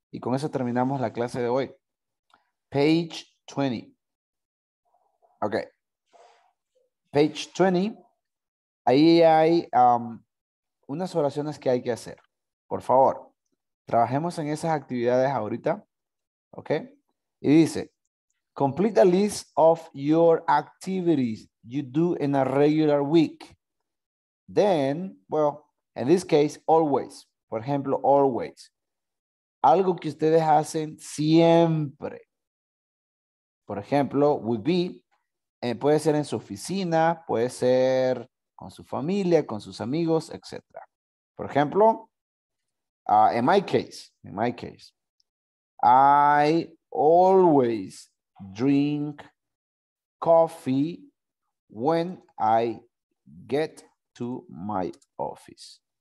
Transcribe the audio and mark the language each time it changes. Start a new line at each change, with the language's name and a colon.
Spanish: Y con eso terminamos la clase de hoy.
English: Page 20. Ok. Page 20.
Spanish: Ahí hay unas oraciones que hay que hacer. Por favor, trabajemos en esas actividades ahorita. Ok. Y dice,
English: complete a list of your activities you do in a regular week. Then, well, in this case, always.
Spanish: Por ejemplo,
English: always.
Spanish: Algo que ustedes hacen siempre. Por ejemplo,
English: would be.
Spanish: Puede ser en su oficina. Puede ser con su familia, con sus amigos, etc. Por ejemplo,
English: in my case. I always drink coffee when I get to my office.